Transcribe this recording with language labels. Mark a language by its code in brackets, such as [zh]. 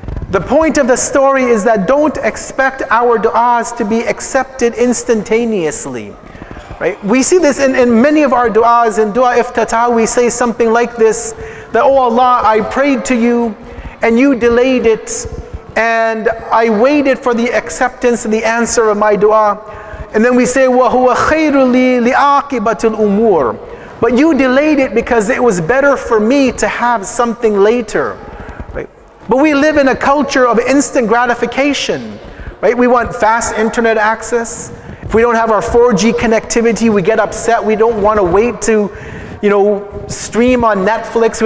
[en] The point of the story is that don't expect our du'as to be accepted instantaneously. Right? We see this in many of our du'as. In du'a iftitah, we say something like this, that, oh Allah, I prayed to you and you delayed it, and I waited for the acceptance and the answer of my du'a. [ar] And then we say, وَهُوَ خَيْرُ لِي لِعَاقِبَةِ الْأُمُورِ. [en] But you delayed it because it was better for me to have something later. Right? But we live in a culture of instant gratification. Right? We want fast internet access. If we don't have our 4G connectivity, we get upset. We don't want to wait to, you know, stream on Netflix.